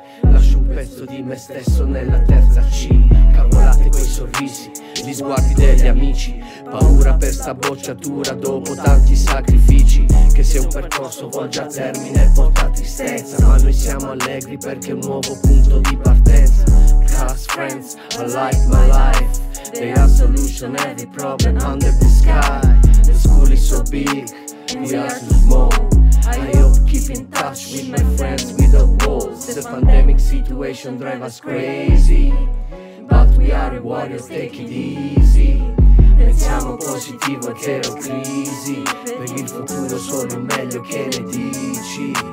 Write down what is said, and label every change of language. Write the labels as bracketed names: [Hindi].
[Italian] Lascio un pezzo di me stesso nella terza C. Cavolate quei sorrisi, gli sguardi degli amici. Paura per sta bocciatura dopo tanti sacrifici. Che se un percorso volge a termine porta tristezza. Ma noi siamo allegri perché è un nuovo punto di partenza. [English] Cause friends, I like my life. They are solution every problem under the sky. The school is so big, we are too small. I hope keep in touch with my friends with the walls. The pandemic situation drive us crazy, but we are warriors, take it easy. [Italian] pensiamo positivo e zero crisi, per il futuro solo il meglio che ne dici.